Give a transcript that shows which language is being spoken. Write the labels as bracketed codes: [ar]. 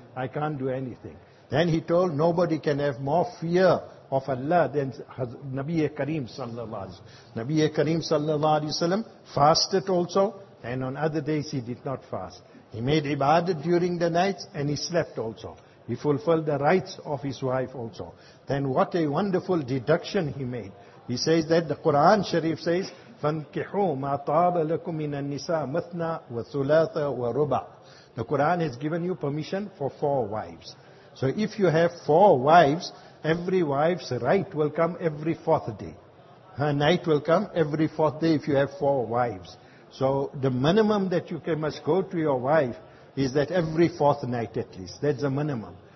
[en] I can't do anything. Then he told, nobody can have more fear of Allah than Nabi Kareem sallallahu alayhi wa sallam fasted also. And on other days he did not fast. He made ibadah during the nights and he slept also. He fulfilled the rights of his wife also. Then what a wonderful deduction he made. [ar] He says that the Quran Sharif says, فَانْكِحُوا مَا طَابَ لَكُم مِّنَ النِّسَاءِ مَثْنَى وَثُلَاثَ وَرُبَعَ. [en] The Quran has given you permission for 4 wives. So if you have 4 wives, every wife's right will come every 4th day. her night will come every fourth day if you have four wives. So the minimum that you can, must go to your wife is that every fourth night at least. That's the minimum.